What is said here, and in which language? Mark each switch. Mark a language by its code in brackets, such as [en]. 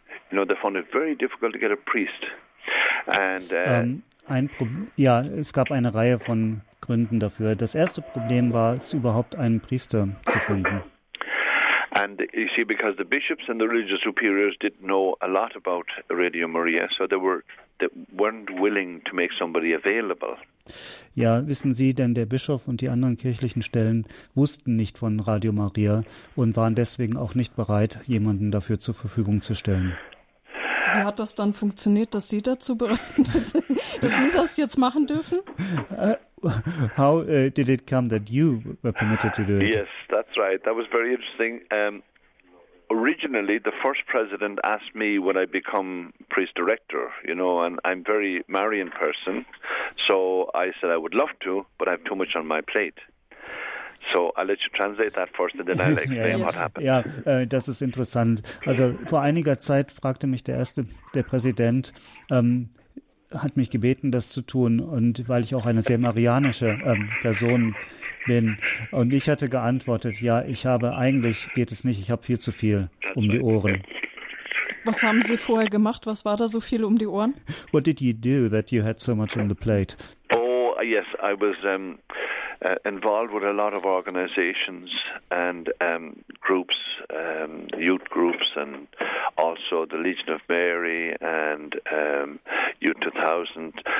[en] You know, they found it very difficult to get a priest. And [de] es gab eine Reihe von Gründen dafür. Das erste Problem war, es überhaupt einen Priester zu finden. [en] And you see, because the bishops and the religious superiors didn't know a lot about Radio Maria, so they weren't willing to make somebody available. [de] Ja, wissen Sie, denn der Bischof und die anderen kirchlichen Stellen wussten nicht von Radio Maria und waren deswegen auch nicht bereit, jemanden dafür zur Verfügung zu stellen. Wie hat das dann funktioniert, dass Sie dazu bereit sind, dass Sie das jetzt machen dürfen? [en] How did it come that you were permitted to do it? Yes, that's right. That was very interesting. Originally, the first president asked me would I become priest director, you know, and I'm very Marian person. So I said I would love to, but I have too much on my plate. So I'll let you translate that first and then I'll explain what happened. [de] Ja, das ist interessant. Also vor einiger Zeit fragte mich der Präsident, hat mich gebeten, das zu tun, und weil ich auch eine sehr marianische Person bin. Und ich hatte geantwortet, ja, ich habe viel zu viel um die Ohren. Was haben Sie vorher gemacht? Was war da so viel um die Ohren? [en] What did you do that you had so much on the plate? Oh, yes, I was involved with a lot of organizations and groups, youth groups and also the Legion of Mary and Youth 2000.